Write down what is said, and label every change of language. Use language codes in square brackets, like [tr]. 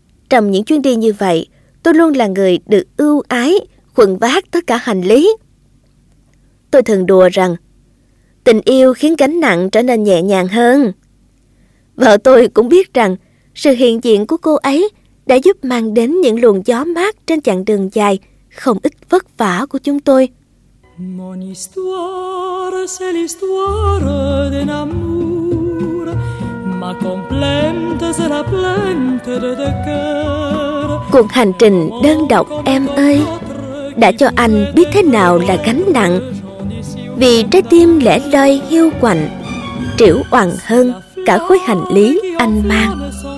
[vi] Trong những chuyến đi như vậy, tôi luôn là người được ưu ái, khuâng vác tất cả hành lý. Tôi thường đùa rằng, tình yêu khiến gánh nặng trở nên nhẹ nhàng hơn. Vợ tôi cũng biết rằng, sự hiện diện của cô ấy đã giúp mang đến những luồng gió mát trên chặng đường dài, không ít vất vả của chúng tôi. [fr] Mon histoire, c'est l'histoire d'un amour. Ma complainte, c'est la plainte de cœur. [vi] Cuộc hành trình đơn độc em ơi, đã cho anh biết thế nào là gánh nặng. Vì trái tim lẻ loi hiu quạnh, trĩu oằng hơn cả khối hành lý anh mang.